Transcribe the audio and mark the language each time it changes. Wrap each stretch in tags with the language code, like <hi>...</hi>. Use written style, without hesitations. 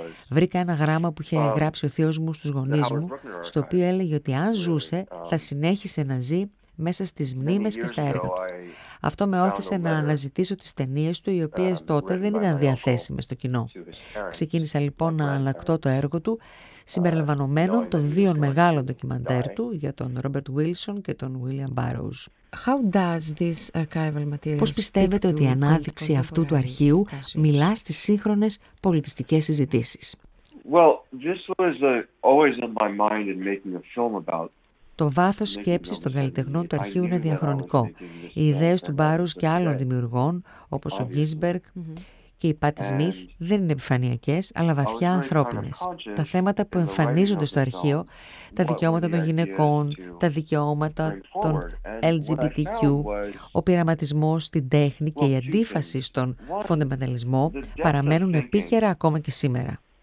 <el>Βρήκα ένα γράμμα που είχε γράψει ο θείος μου στους γονείς μου, στο οποίο έλεγε ότι αν ζούσε, θα συνέχισε να ζει μέσα στις μνήμες και στα έργα του. Αυτό με όθησε να αναζητήσω τις ταινίες του, οι οποίες τότε δεν ήταν διαθέσιμες στο κοινό. Ξεκίνησα λοιπόν να ανακτώ το έργο του, συμπεριλαμβανομένων των δύο μεγάλων ντοκιμαντέρ του, για τον Robert Wilson και τον William Burroughs.</el> <en>How does this archival material</en> <el>Πώς πιστεύετε ότι η ανάδειξη αυτού του αρχείου μιλά στις σύγχρονες πολιτιστικές συζητήσεις?</el> <en>Well, this was always on my mind in making a film about.</en> <el>Το βάθος σκέψης των καλλιτεχνών του αρχείου είναι διαχρονικό. Οι ιδέες του Μπάρους και άλλων δημιουργών, όπως ο Γκίνσμπεργκ, και οι Patti Smith δεν είναι επιφανειακές, αλλά βαθιά ανθρώπινες. Τα θέματα που εμφανίζονται στο αρχείο, τα δικαιώματα των γυναικών, τα δικαιώματα των LGBTQ, ο πειραματισμός στην τέχνη και η αντίφαση στον φονδεμεταλισμό παραμένουν επίκαιρα ακόμα και σήμερα.</el>